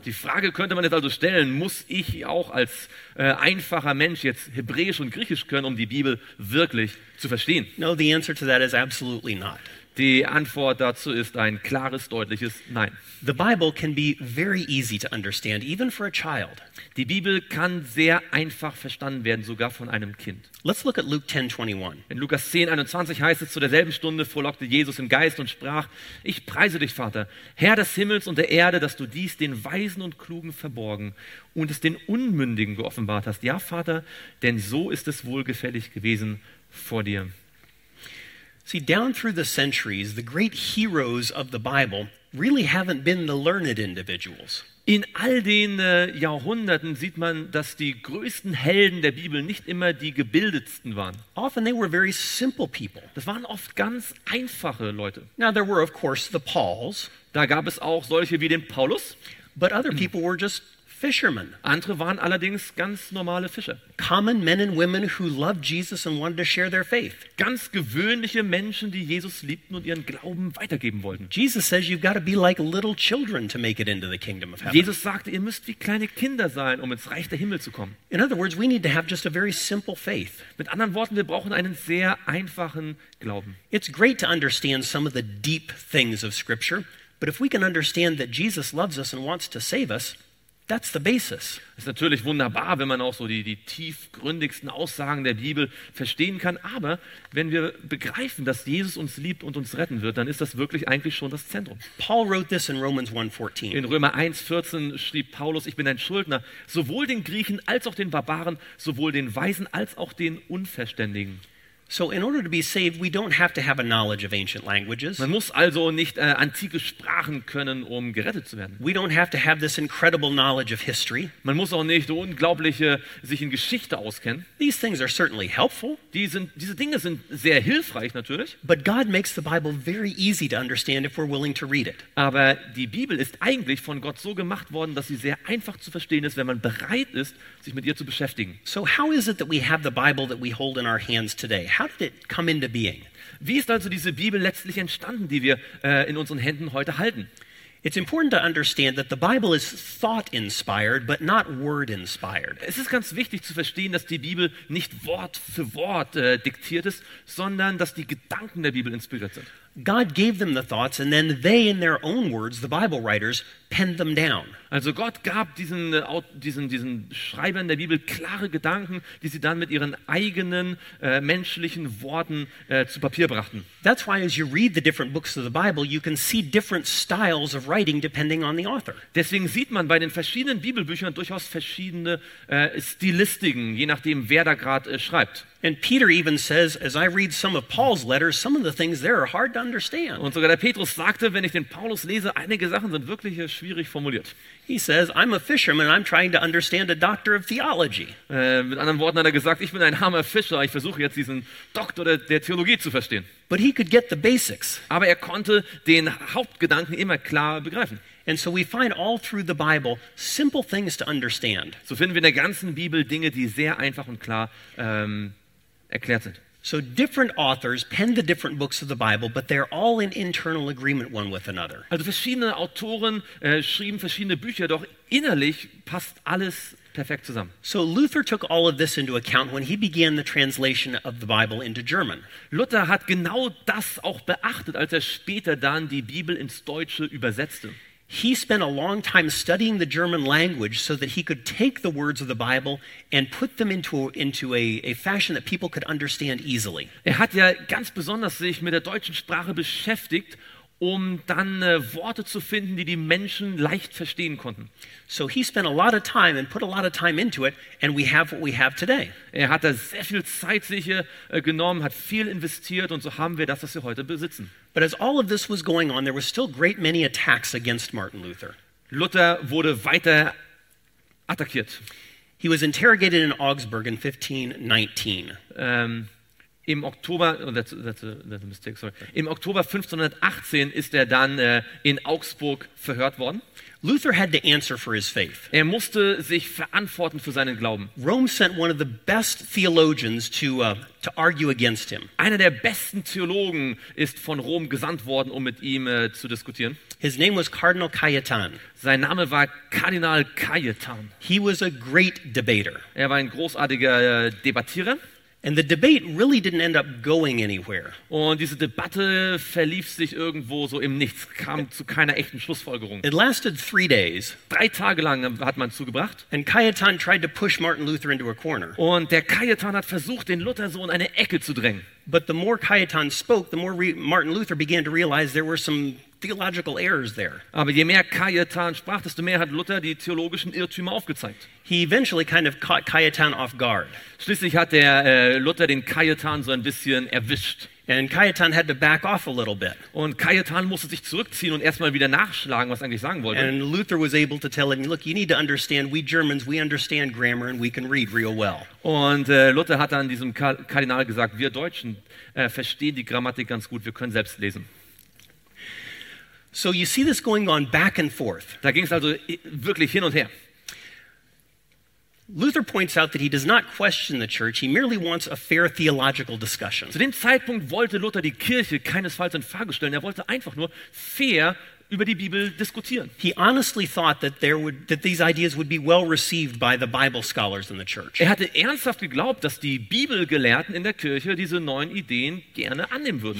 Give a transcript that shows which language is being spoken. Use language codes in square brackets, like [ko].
[de] Die Frage könnte man jetzt also stellen, muss ich auch als einfacher Mensch jetzt Hebräisch und Griechisch können, um die Bibel wirklich zu verstehen? verstehen. [en] No, the answer to that is absolutely not. [de] Die Antwort dazu ist ein klares, deutliches Nein. [en] The Bible can be very easy to understand, even for a child. [de] Die Bibel kann sehr einfach verstanden werden, sogar von einem Kind. [en] Let's look at Luke 10:21. [de] In Lukas 10:21 heißt es: Zu derselben Stunde frohlockte Jesus im Geist und sprach: Ich preise dich, Vater, Herr des Himmels und der Erde, dass du dies den Weisen und Klugen verborgen und es den Unmündigen geoffenbart hast. Ja, Vater, denn so ist es wohlgefällig gewesen vor dir. [en] See, down through the centuries, the great heroes of the Bible really haven't been the learned individuals. [de] In all den Jahrhunderten sieht man, dass die größten Helden der Bibel nicht immer die gebildetsten waren. [en] Often they were very simple people. [de] Das waren oft ganz einfache Leute. [en] Now there were, of course, the Pauls. [de] Da gab es auch solche wie den Paulus. [en] But other people were just fishermen. [de] Andere waren allerdings ganz normale Fischer. [en] Common men and women who loved Jesus and wanted to share their faith. [de] Ganz gewöhnliche Menschen, die Jesus liebten und ihren Glauben weitergeben wollten. [en] Jesus says you've got to be like little children to make it into the kingdom of heaven. [de] Jesus sagte, ihr müsst wie kleine Kinder sein, um ins Reich der Himmel zu kommen. [en] In other words, we need to have just a very simple faith. [de] Mit anderen Worten, wir brauchen einen sehr einfachen Glauben. [en] It's great to understand some of the deep things of scripture, but if we can understand that Jesus loves us and wants to save us, that's the basis. [de] Ist natürlich wunderbar, wenn man auch so die tiefgründigsten Aussagen der Bibel verstehen kann, aber wenn wir begreifen, dass Jesus uns liebt und uns retten wird, dann ist das wirklich eigentlich schon das Zentrum. [en] Paul wrote this in Romans 1:14. [de] In Römer 1:14 schrieb Paulus: Ich bin ein Schuldner, sowohl den Griechen als auch den Barbaren, sowohl den Weisen als auch den Unverständigen. [en] So in order to be saved, we don't have to have a knowledge of ancient languages. [de] Man muss also nicht antike Sprachen können, um gerettet zu werden. [en] We don't have to have this incredible knowledge of history. [de] Man muss auch nicht unglaubliche sich in Geschichte auskennen. [en] These things are certainly helpful. [de] Diese Dinge sind sehr hilfreich natürlich. [en] But God makes the Bible very easy to understand if we're willing to read it. [de] Aber die Bibel ist eigentlich von Gott so gemacht worden, dass sie sehr einfach zu verstehen ist, wenn man bereit ist, sich mit ihr zu beschäftigen. [en] So how is it that we have the Bible that we hold in our hands today? How did it come into being? [de] Wie ist also diese Bibel letztlich entstanden, die wir in unseren Händen heute halten? [en] It's important to understand that the Bible is thought-inspired, but not word-inspired. [de] Es ist ganz wichtig zu verstehen, dass die Bibel nicht Wort für Wort diktiert ist, sondern dass die Gedanken der Bibel inspiriert sind. [en] God gave them the thoughts, and then they, in their own words, the Bible writers, penned them down. [de] Also Gott gab diesen Schreibern der Bibel klare Gedanken, die sie dann mit ihren eigenen menschlichen Worten zu Papier brachten. [en] That's why, as you read the different books of the Bible, you can see different styles of writing depending on the author. [de] Deswegen sieht man bei den verschiedenen Bibelbüchern durchaus verschiedene Stilistiken, je nachdem wer da gerade schreibt. [en] And Peter even says, as I read some of Paul's letters, some of the things there are hard to understand. [de] Und sogar der Petrus sagte, wenn ich den Paulus lese, einige Sachen sind wirklich schwierig formuliert. [en] He says, I'm a fisherman, I'm trying to understand a doctor of theology. [de] Mit anderen Worten hat er gesagt, ich bin ein armer Fischer, ich versuche jetzt diesen Doktor der Theologie zu verstehen. [en] But he could get the basics. [de] Aber er konnte den Hauptgedanken immer klar begreifen. [en] And so we find all through the Bible simple things to understand. [de] So finden wir in der ganzen Bibel Dinge, die sehr einfach und klar erklärt sind. [en] So different authors pen the different books of the Bible, but they're all in internal agreement one with another. [de] Also verschiedene Autoren schrieben verschiedene Bücher, doch innerlich passt alles perfekt zusammen. [en] So Luther took all of this into account when he began the translation of the Bible into German. [de] Luther hat genau das auch beachtet, als er später dann die Bibel ins Deutsche übersetzte. [en] He spent a long time studying the German language so that he could take the words of the Bible and put them into a fashion that people could understand easily. [de] Er hat ja ganz besonders sich mit der deutschen Sprache beschäftigt, um dann Worte zu finden, die die Menschen leicht verstehen konnten. [en] So he spent a lot of time and put a lot of time into it, and we have what we have today. [de] Er hat da sehr viel Zeit sich genommen, hat viel investiert, und so haben wir das, was wir heute besitzen. [en] But as all of this was going on, there were still great many attacks against Martin Luther. [de] Luther wurde weiter attackiert. [en] He was interrogated in Augsburg in 1519. [de] Im Oktober 1518 ist er dann in Augsburg verhört worden. [en] Luther had to answer for his faith. [de] Er musste sich verantworten für seinen Glauben. [en] Rome sent one of the best theologians to argue against him. [de] Einer der besten Theologen ist von Rom gesandt worden, um mit ihm zu diskutieren. [en] His name was Cardinal Cajetan. [de] Sein Name war Kardinal Cajetan. [en] He was a great debater. [de] Er war ein großartiger Debattierer. [en] And the debate really didn't end up going anywhere. [de] Und diese Debatte verlief sich irgendwo so im Nichts, kam zu keiner echten Schlussfolgerung. [en] It lasted 3 days. [de] 3 Tage lang hat man zugebracht. [en] And Cajetan tried to push Martin Luther into a corner. [de] Und der Cajetan hat versucht, den Luther so in eine Ecke zu drängen. [en] But the more Cajetan spoke, the more Martin Luther began to realize there were some theological errors there. [de] Aber je mehr Cajetan sprach, desto mehr hat Luther die theologischen Irrtümer aufgezeigt. [en] He eventually kind of caught Cajetan off guard. [de] Schließlich hat der Luther den Cajetan so ein bisschen erwischt. [en] And Cajetan had to back off a little bit. [de] Und Cajetan musste sich zurückziehen und erstmal wieder nachschlagen, was er eigentlich sagen wollte. [en] And Luther was able to tell him, look, you need to understand, we Germans, we understand grammar and we can read real well. [de] Und Luther hat dann diesem Kardinal gesagt, wir Deutschen verstehen die Grammatik ganz gut, wir können selbst lesen. [en] So you see this going on back and forth. [de] Da ging es also wirklich hin und her. [en] Luther points out that he does not question the church, he merely wants a fair theological discussion. [de] Zu dem Zeitpunkt wollte Luther die Kirche keinesfalls in Frage stellen, er wollte einfach nur fair über die Bibel diskutieren. [en] He honestly thought that there would that these ideas would be well received by the Bible scholars in the church. [de] Er hatte ernsthaft geglaubt, dass die Bibelgelehrten in der Kirche diese neuen Ideen gerne annehmen würden.